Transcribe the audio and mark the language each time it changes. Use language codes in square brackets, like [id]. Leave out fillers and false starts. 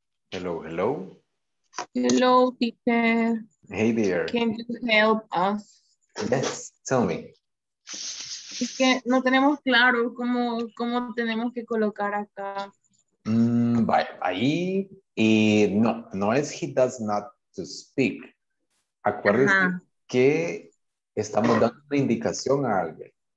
[en] Hello, hello. Hello, teacher. Hey there. Can you help us? Yes, tell me. [es] Es que no tenemos claro cómo tenemos que colocar acá. Ahí, y no es he does not to speak. Acuérdense que estamos dando una indicación a alguien.